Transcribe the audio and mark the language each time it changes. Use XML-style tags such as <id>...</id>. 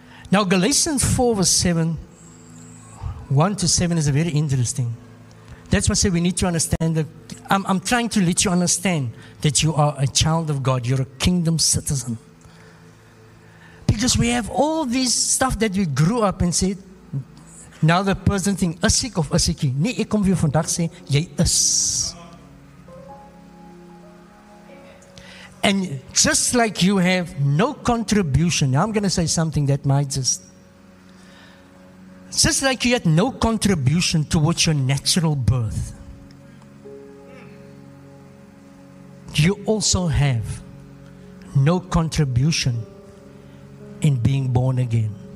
<en>Now Galatians 4 verse 7, 1 to 7 is a very interesting. That's why I say we need to understand. I'm trying to let you understand that you are a child of God. You're a kingdom citizen. Because we have all this stuff that we grew up and said, now the person thing,</en> <af>is ik of is ik nie? Nee, ek kom vir jou vandag sê, jy is.</af> <en>And just like you have no contribution, now I'm going to say something that might just like you had no contribution towards your natural birth, you also have no contribution in being born again.</en>